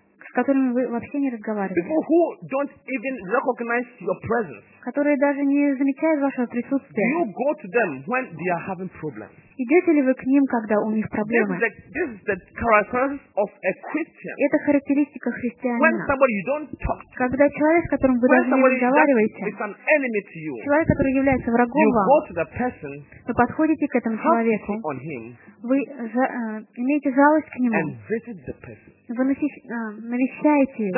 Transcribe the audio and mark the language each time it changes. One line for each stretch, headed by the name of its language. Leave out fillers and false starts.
Russian: С которыми вы вообще не разговариваете.
English: People who don't even recognize your presence.
Russian: Которые даже не замечают вашего присутствия.
English: You go to them when they are having problems.
Russian: Идете ли вы к ним, когда у них проблемы?
English: This is the characteristic of a Christian.
Russian: Это характеристика христианина.
English: When somebody you don't talk to,
Russian: когда человек, с которым вы даже не разговариваете, человек, который является врагом вам, вы подходите к этому человеку, вы имеете жалость к нему, вы навещаете его.